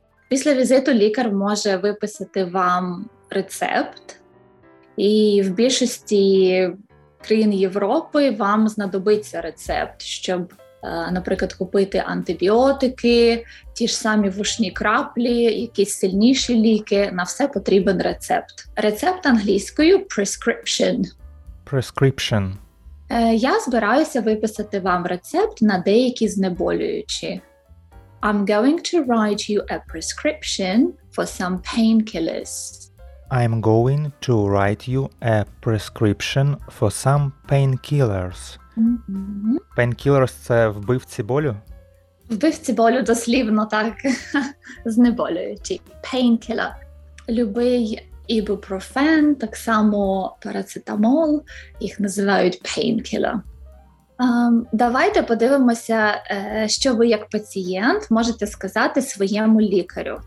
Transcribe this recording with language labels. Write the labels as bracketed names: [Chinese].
[Ukrainian] Після візиту лікар може виписати вам рецепт, і в більшості країн Європи вам знадобиться рецепт, щоб, наприклад, купити антибіотики, ті ж самі вушні краплі, якісь сильніші ліки. На все потрібен рецепт. Рецепт англійською – prescription. [English] Prescription. [Ukrainian] Я збираюся виписати вам рецепт на деякі знеболюючі. [English] I'm going to write you a prescription for some painkillers. I'm going to write you a prescription for some painkillers. [Ukrainian] Painkillers – це вбивці болю? Вбивці болю дослівно, так. Знеболюючі. Painkiller. Любий ібупрофен, так само парацетамол. Їх називають painkiller. Давайте подивимося, що ви як пацієнт можете сказати своєму лікарю.